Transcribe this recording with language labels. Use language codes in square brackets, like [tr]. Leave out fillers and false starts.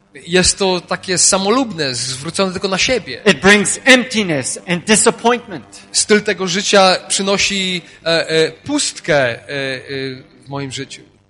[pl] Jest to takie samolubne, zwrócone tylko na siebie. [en] It brings emptiness and disappointment. [pl] Styl tego życia przynosi pustkę w moim życiu.